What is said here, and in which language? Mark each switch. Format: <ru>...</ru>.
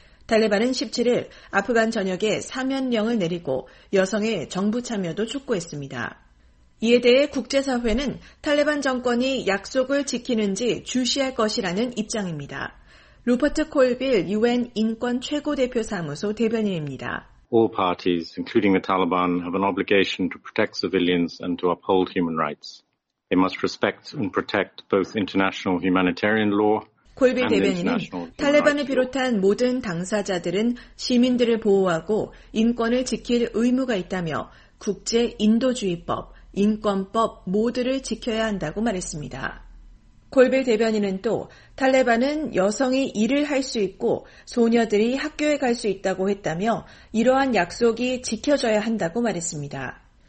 <ko>탈레반은 17일 아프간 전역에 사면령을 내리고 여성의 정부 참여도 촉구했습니다. 이에 대해 국제사회는 탈레반 정권이 약속을 지키는지 주시할 것이라는 입장입니다. 루퍼트 콜빌 UN 인권 최고대표사무소 대변인입니다.</ko> <en>All parties, including the Taliban, have an obligation to protect civilians and to uphold human rights. They must respect and protect both international humanitarian law and international human rights.</en> <ko>콜비 대변인은 탈레반을 비롯한 모든 당사자들은 시민들을 보호하고 인권을 지킬 의무가 있다며 국제 인도주의법, 인권법 모두를 지켜야 한다고 말했습니다. 콜빌 대변인은 또 탈레반은 여성이 일을 할 수 있고 소녀들이 학교에 갈 수 있다고 했다며 이러한 약속이 지켜져야 한다고 말했습니다.</ko>